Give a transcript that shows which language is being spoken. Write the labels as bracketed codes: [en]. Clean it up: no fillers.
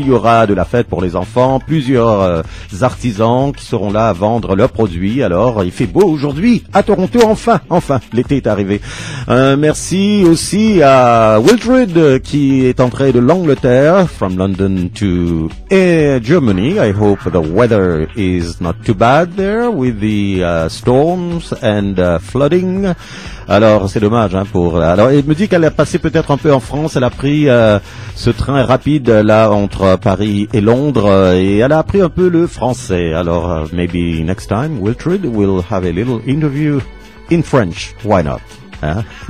[fr] Il y aura de la fête pour les enfants, plusieurs artisans qui seront là à vendre leurs produits. Alors, il fait beau aujourd'hui à Toronto, enfin, l'été est arrivé. Merci aussi à Wiltred qui est entré de l'Angleterre, [en] from London to Germany. I hope the weather is not too bad there with the storms and flooding. [fr] Alors, c'est dommage, hein, pour. Alors, il me dit qu'elle est passée peut-être un peu en France. Elle a pris ce train rapide là entre Paris et Londres et elle a appris un peu le français. [en] Alors, maybe next time, Wiltred will have a little interview in French. Why not? Hein?